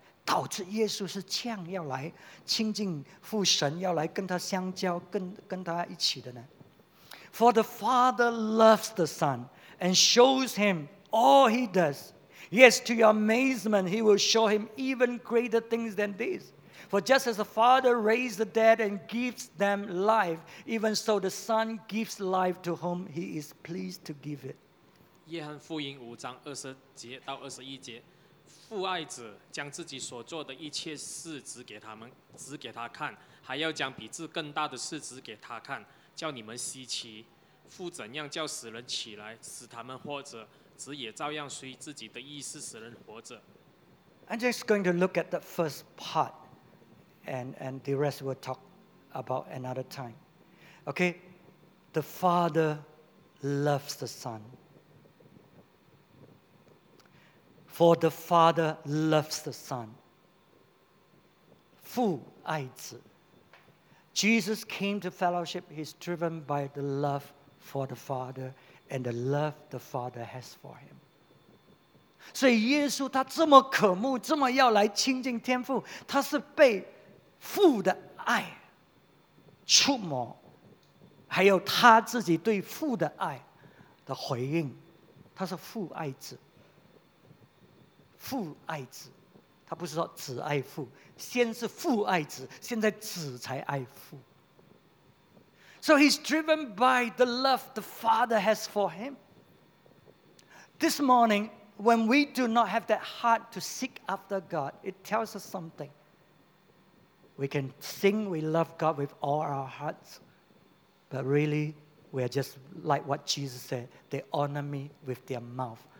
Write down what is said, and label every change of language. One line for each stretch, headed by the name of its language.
Chinese: 导致耶稣是这样要来亲近父神，要来跟他相交，跟他一起的呢？
English: For the Father loves the Son and shows him all he does. Yes, to your amazement, he will show him even greater things than this. For just as the Father raised the dead and gives them life, even so the Son gives life to whom he is pleased to give it.
Chinese: 约翰福音五章二十节到二十一节。父爱子将自己所做的一切事指给他们，指给他看，还要将比这更大的事指给他看，叫你们稀奇。父怎样叫死人起来，使他们活着，子也照样随自己的意思使人活着。
English: I'm just going to look at the first part, and the rest we'll talk about another time. Okay, the Father loves the Son. For the Father loves the Son.
Chinese: 父爱子。
English: Jesus came to fellowship. He's driven by the love for the Father and the love the Father has for him.
Chinese: 所以耶稣他这么渴慕，这么要来亲近天父，他是被父的爱触摸，还有他自己对父的爱的回应。他是父爱子。父爱子，他不是说子爱父，先是父爱子，现在子才爱父。
English: So he's driven by the love the Father has for him. This morning, when we do not have that heart to seek after God, it tells us something. We can sing we love God with all our hearts, but really, we are just like what Jesus said, they honor me with their mouth.